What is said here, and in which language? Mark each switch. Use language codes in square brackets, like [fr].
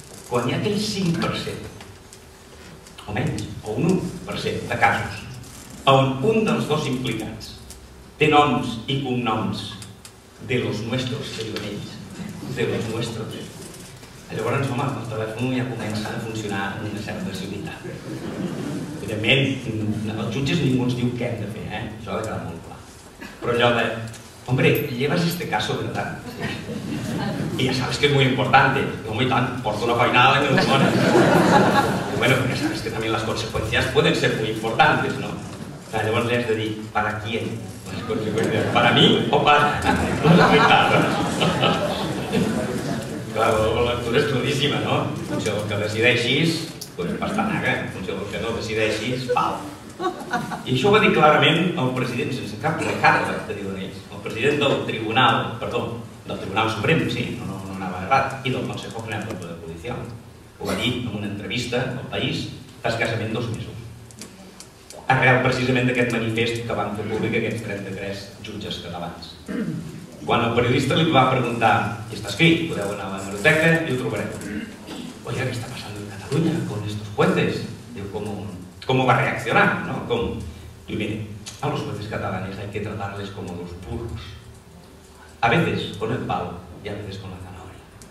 [ca] Quan hi ha aquell 5%, o menys, o un 1% de casos, on un dels dos implicats té noms i cognoms de los nuestros, que diuen ells, de los nuestros, llavors, home, el telèfon ja comença a funcionar amb una certa civilitat. Evidentment, als jutges ningú ens diu què hem de fer, eh? Això ha de quedar molt clar. [es] Però allò de, hombre, llevas este caso de tant. Sí. Y ya sabes que es muy importante. Como y tanto, porto una feinada en el món. Bueno, ya sabes que también las consecuencias pueden ser muy importantes, ¿no? Pero llavors li has de dir, ¿para quién las consecuencias? ¿Para mí o para los afectados? Claro, la lectura es claríssima, ¿no? [ca] En funció del que decideixis, pues pastanaga. En funció del que no decideixis, pau. I això ho va dir clarament el president, sense cap recàrrega, que diuen ells. El president del Tribunal, perdó, del Tribunal Suprem, sí, no anava errat, i del Consejo General del Poder Judicial. Ho va dir en una entrevista al País fa escassament 2 mesos. Arrel precisament d'aquest manifest que van fer públic aquests 33 jutges catalans. Quan el periodista li va preguntar, i està escrit, podeu anar a la biblioteca i ho trobareu. [es] Oye, què està passant en Catalunya con estos puentes? Diu, ¿cómo va a reaccionar? No? Com? Diu, mire, a los jueces catalanes hay que tratarles como los burros. A veces con el palo y a veces con la zanahoria.